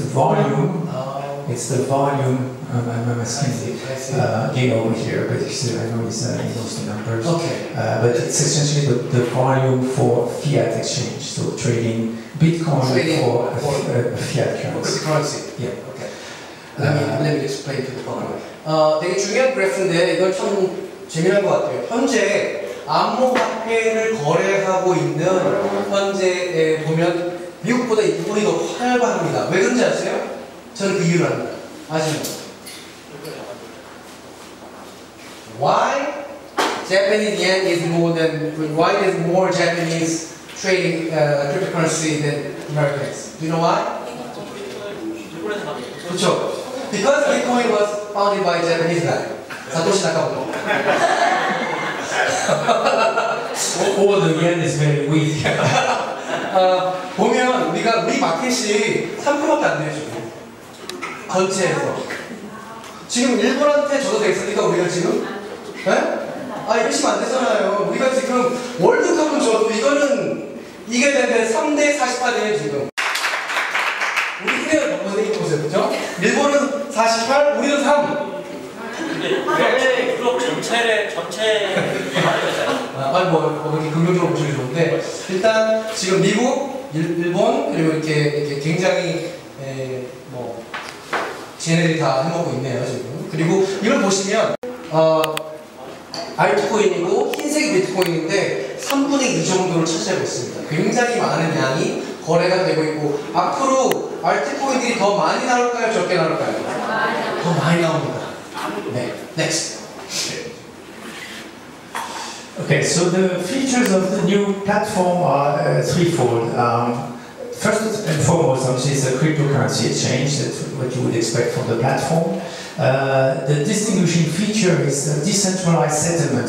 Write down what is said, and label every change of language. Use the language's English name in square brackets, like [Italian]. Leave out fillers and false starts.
[English] The volume, it's the volume. I'm asking again over here, but I know he knows the numbers. Okay. But it's essentially the volume for fiat exchange, so trading Bitcoin fiat currency. Yeah. Okay. Let me explain to the following. [Korean] 되게 중요한 그래프인데 이건 참 재미난 것 같아요. 현재 암호화폐를 거래하고 있는 현재에 보면 미국보다 이 부분이 더 활발합니다. 왜 그런지 아세요? 저는 그 이유를 압니다. 아시죠? [English] Why Japanese yen is more than why is more Japanese trading cryptocurrency than Americans? Do you know why? [Korean] 그렇죠. [English] Because Bitcoin was founded by Japanese guy, Satoshi Nakamoto. Or the yen is very weak. [Korean] 보면 우리가 우리 마켓이 3%밖에 안 돼요 지금 전체에서. 지금 일본한테 줘도 되겠습니까 우리가 지금? 예? 아 열심히 안 되잖아요. 우리가 지금 월드컵은 줘도 이거는 이게 되면 3대 48이에요 지금. 우리 힘을 넘어서 이렇게 보세요, 그죠? 일본은 48, 우리는 3. 왜 그룹 전체를 전체 말하잖아요. 아니 뭐 그렇게 긍정적으로 보시면 좋은데 일단 지금 미국, 일본 그리고 이렇게 굉장히 뭐 쟤네들이 다 해먹고 있네요 지금. 그리고 이걸 보시면 알트코인이고 흰색이 비트코인인데 3분의 2 정도를 차지하고 있습니다. 굉장히 많은 양이 거래가 되고 있고 앞으로 알트코인들이 더 많이 나올까요 적게 나올까요? 더 많이 나옵니다. 네, next. [English] Okay, so the features of the new platform are threefold. First and foremost, obviously, it's a cryptocurrency exchange, that's what you would expect from the platform. The distinguishing feature is a decentralized settlement.